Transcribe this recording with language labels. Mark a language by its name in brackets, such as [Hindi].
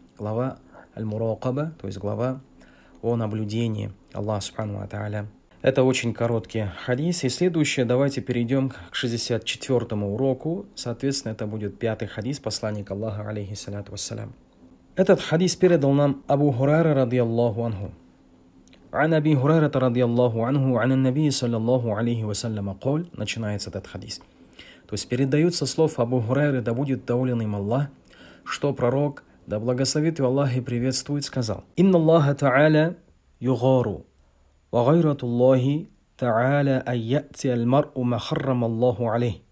[Russian] Глава аль-Мураакаба, то есть глава о наблюдении Аллаха субхану ва тааля. Это очень короткий хадис. И следующее, давайте перейдем к 64-му уроку. Соответственно, это будет 5-й хадис посланника Аллаха, алейхи саляту вассалям. Этот хадис передал нам Абу Хурайра радиаллаху анху. [Arabic] عن أبي هريرة رضي الله عنه عن النبي صلى الله عليه وسلم قال. [Russian] Начинается этот хадис. То есть передаются слов Абу Хурайры, да будет доволен им Аллах, что пророк, да благословит его Аллах и приветствует, сказал: [Arabic] إن الله تعالى يغار وغيرة الله تعالى أن يأتي المرء ما حرم الله عليه.